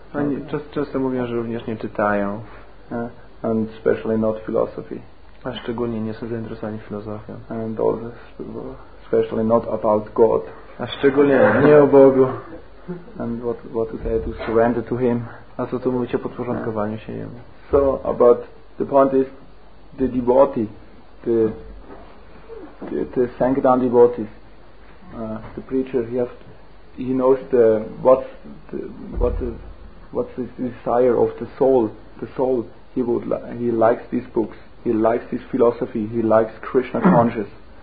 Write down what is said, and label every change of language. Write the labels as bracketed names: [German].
[Polish] Oni często mówią, że również nie czytają. [English] And especially not philosophy. [Polish] A szczególnie nie są zainteresowani filozofią. [English] And also especially not about God. [Polish] A szczególnie nie o Bogu. [English] And what to say, to surrender to Him. [Polish] A co tu mówić o podporządkowaniu się Jemu. [English] So, but the point is, the devotee, the sanctan devotees, the preacher, he knows what's the desire of the soul. The soul, he likes these books, he likes this philosophy, he likes Krishna consciousness.